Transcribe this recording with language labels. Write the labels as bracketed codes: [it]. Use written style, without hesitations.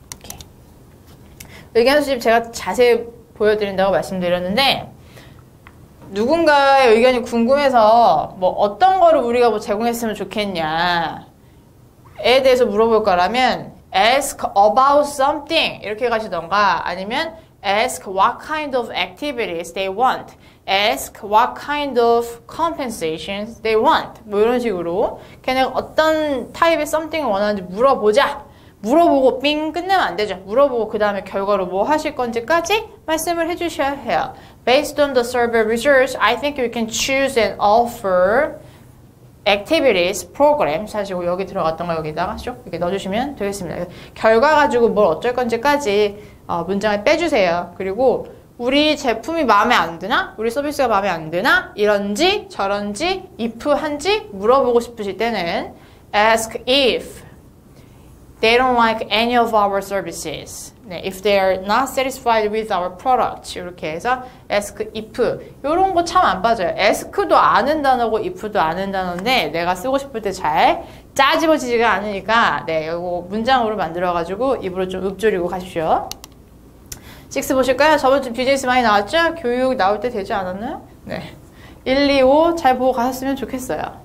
[ko] 이렇게. 의견 수집 제가 자세히 보여드린다고 말씀드렸는데 누군가의 의견이 궁금해서 뭐 어떤 거를 우리가 뭐 제공했으면 좋겠냐에 대해서 물어볼 거라면 [en] ask about something [ko] 이렇게 가시던가 아니면 [en] ask what kind of activities they want, [ko] ask what kind of compensations they want 뭐 이런 식으로 걔네가 어떤 타입의 something을 원하는지 물어보자. 물어보고 삥 끝내면 안 되죠. 물어보고 그 다음에 결과로 뭐 하실 건지까지 말씀을 해주셔야 해요. [en] Based on the survey results, I think you can choose and offer activities, program. [ko] 사실 여기 들어갔던 거 여기다가 쇼 이렇게 넣어주시면 되겠습니다. 결과 가지고 뭘 어쩔 건지까지 문장을 빼주세요. 그리고 우리 제품이 마음에 안 드나? 우리 서비스가 마음에 안 드나? 이런지 저런지 if 한지 물어보고 싶으실 때는 [en] ask if they don't like any of our services. 네, if they're not satisfied with our product. [ko] 이렇게 해서 ask if. 이런 거 참 안 빠져요. ask도 아는 단어고 if도 아는 단어인데 내가 쓰고 싶을 때 잘 짜집어지지가 않으니까 네, 이거 문장으로 만들어가지고 입으로 좀 읊조리고 가십시오. 6 보실까요? 저번 주 비즈니스 많이 나왔죠? 교육 나올 때 되지 않았나요? 네, 1, 2, 5 잘 보고 가셨으면 좋겠어요.